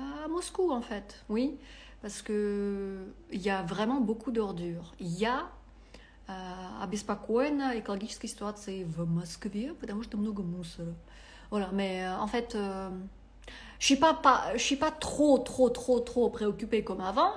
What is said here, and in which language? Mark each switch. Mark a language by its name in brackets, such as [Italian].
[French] Moscou, en fait, oui, parce que il y a vraiment beaucoup d'ordures. Il y a [Russian] обеспокоена экологической ситуацией в Москве, потому что много мусора. [French] Voilà, mais en fait, je suis pas trop préoccupée comme avant.